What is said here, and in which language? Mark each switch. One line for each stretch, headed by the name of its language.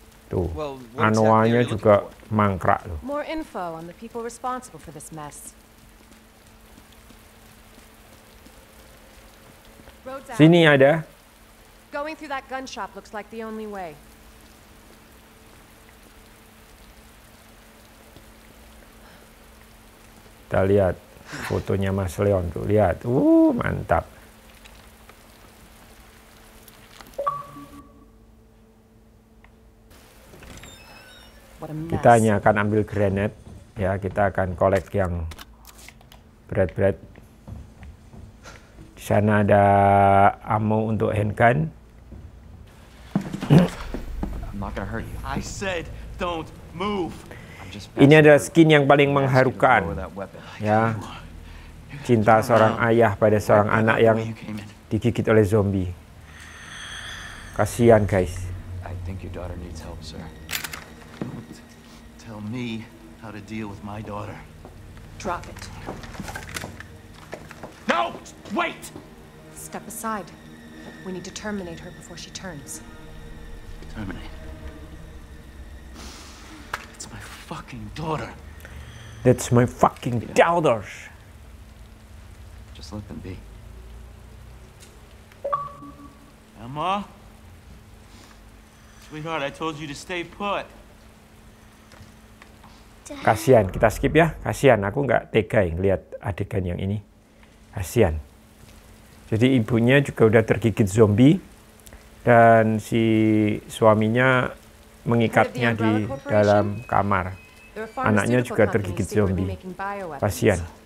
Indonesian: Tuh, anuanya juga mangkrak loh.
English: More info on the people responsible for this mess.
Indonesian: Sini ada.
English: Going through that gun shop looks like the only way.
Indonesian: Kita lihat fotonya Mas Leon tuh, lihat. Mantap. Kita hanya akan ambil granat ya, kita akan collect yang berat-berat. Di sana ada ammo untuk handgun.
English: I'm not gonna hurt you. I said don't move.
Indonesian: Ini adalah skin yang paling mengharukan ya, cinta seorang ayah pada seorang anak yang digigit oleh zombie. Kasihan, guys.
English: I think your daughter needs help, sir. Tell me how to deal with my daughter. Drop it. No, wait. Step aside. We need to terminate her before she turns. Terminate. Fucking daughter. That's my fucking daughter. Just let them be. Emma? Sweetheart, I told you to stay put.
Indonesian: Kasihan, kita skip ya. Kasihan, aku nggak tega yang lihat adegan yang ini. Kasihan. Jadi ibunya juga udah tergigit zombie dan si suaminya mengikatnya di dalam kamar. Anaknya juga tergigit zombie. Kasihan.